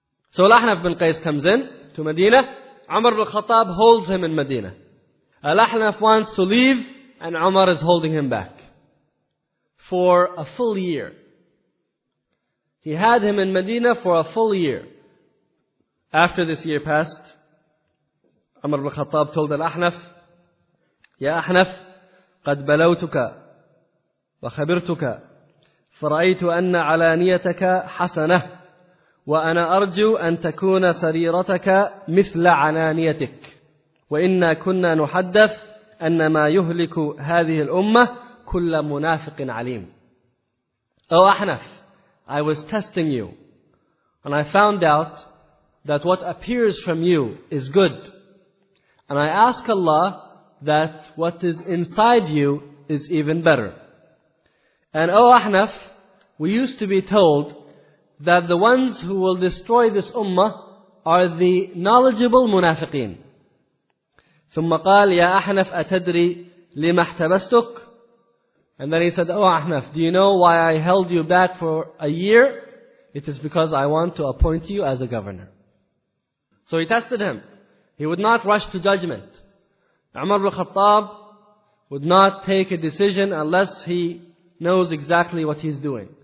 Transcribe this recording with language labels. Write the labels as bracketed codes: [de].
[en] So Al-Ahnaf bin Qais comes in to Medina. Umar ibn Khattab holds him in Medina. Al-Ahnaf wants to leave, and Umar is holding him back for a full year. He had him in Medina for a full year. After this year passed, Umar ibn Khattab told Al-Ahnaf, Ya Ahnaf, [ar] قد بلوتك وخبرتك فرأيت أن علانيتك حسنة وأنا أرجو أن تكون سريرتك مثل علانيتك وإنا كنا نحدث أن ما يهلك هذه الأمة كل منافق عليم. [en] Oh Ahnaf, I was testing you, and I found out that what appears from you is good. And I ask Allah that what is inside you is even better. And oh Ahnaf, we used to be told that the ones who will destroy this ummah are the knowledgeable munafiqeen. [ar] ثم قال يا أحنف أتدري لما احتبستك. [en] And then he said, oh Ahnaf, do you know why I held you back for a year? It is because I want to appoint you as a governor. So he tested him. He would not rush to judgment. Umar ibn Khattab would not take a decision unless he knows exactly what he's doing.